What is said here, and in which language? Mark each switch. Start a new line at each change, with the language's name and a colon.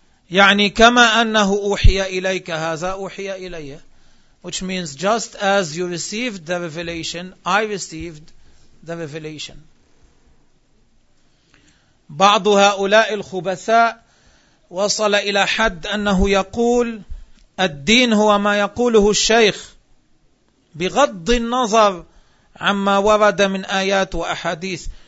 Arabic: يعني كما أنه أوحي إليك هذا أوحي إلي.
English: Which means just as you received the revelation, I received the revelation.
Arabic: بعض هؤلاء الخبثاء وصل إلى حد أنه يقول الدين هو ما يقوله الشيخ بغض النظر عما ورد من آيات وأحاديث.